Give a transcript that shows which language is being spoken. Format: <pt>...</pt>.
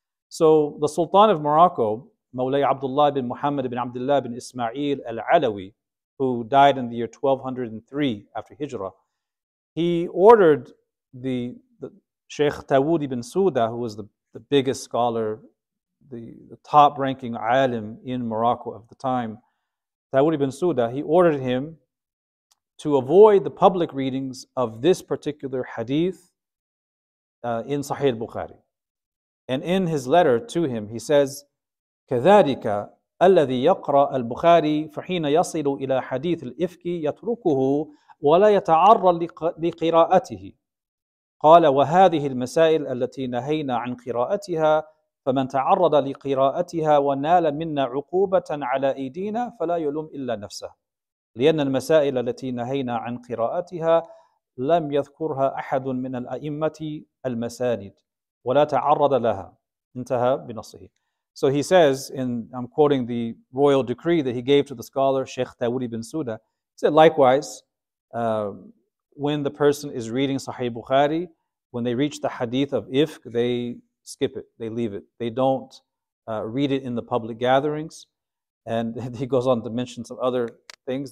<en>So the Sultan of Morocco, Mawlay Abdullah ibn Muhammad ibn Abdullah ibn Ismail al-Alawi, who died in the year 1203 after Hijrah, he ordered the Sheikh Tawud ibn Suda, who was the biggest scholar, the top-ranking alim in Morocco of the time, Tawud ibn Suda, he ordered him to avoid the public readings of this particular hadith in Sahih al-Bukhari. And in his letter to him, he says,</en> <ar>كذلك الذي يقرأ البخاري فحين يصل إلى حديث الإفك يتركه ولا يتعرى لقراءته قال وهذه المسائل التي نهينا عن قراءتها فمن تعرض لقراءتها ونال منا عقوبة على أيدينا فلا يلوم إلا نفسه لأن المسائل التي نهينا عن قراءتها لم يذكرها أحد من الأئمة المساند ولا تعرض لها انتهى بنصه.</ar> <en>So he says, and I'm quoting the royal decree that he gave to the scholar, Sheikh Tawud ibn Suda, he said, likewise, when the person is reading Sahih Bukhari, when they reach the hadith of Ifk, they skip it, they leave it. They don't read it in the public gatherings. And he goes on to mention some other things.</en>